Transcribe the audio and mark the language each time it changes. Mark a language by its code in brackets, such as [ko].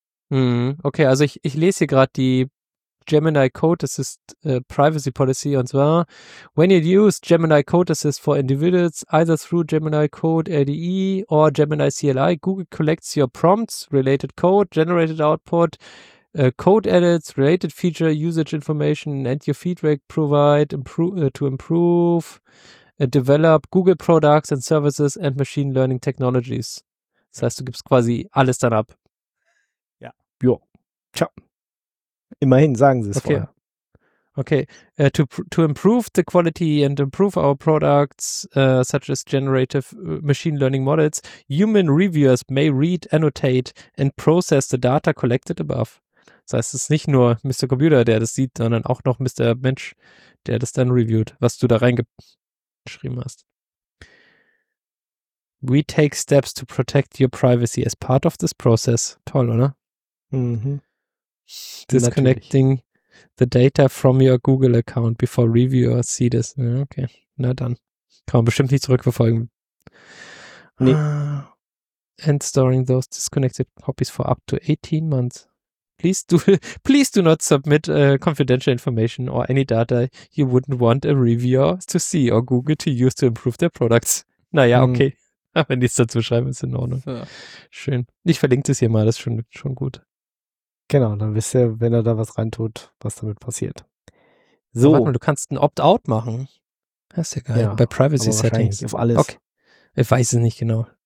[de] Okay, also ich lese hier gerade die Gemini Code Assist Privacy Policy, und zwar: [en] When you use Gemini Code Assist for individuals, either through Gemini Code LDE or Gemini CLI, Google collects your prompts, related code, generated output, code edits, related feature usage information, and your feedback provide to improve, develop Google products and services and machine learning technologies. [de] Das heißt, du gibst quasi alles dann ab. Ja. Jo. Ciao. Immerhin sagen sie es vorher. Okay. [en] To improve the quality and improve our products, such as generative machine learning models, human reviewers may read, annotate and process the data collected above. [de] Das heißt, es ist nicht nur Mr. Computer, der das sieht, sondern auch noch Mr. Mensch, der das dann reviewt, was du da reingeschrieben hast. [en] We take steps to protect your privacy as part of this process. [de] Toll, oder? [en] Disconnecting the data from your Google account before reviewers see this. [de] Okay, na dann. Kann man bestimmt nicht zurückverfolgen. Nee. [en] And storing those disconnected copies for up to 18 months. Please do not submit confidential information or any data you wouldn't want a reviewer to see or Google to use to improve their products. [de] Naja, okay. Wenn die es dazu schreiben, ist in Ordnung. Ja. Schön. Ich verlinke das hier mal, das ist schon gut. Genau, dann wisst ihr, wenn er da was reintut, was damit passiert. So. Warte mal, du kannst ein Opt-out machen. Das ist ja geil. Ja, bei Privacy Settings. Auf alles. Okay. Ich weiß es nicht genau.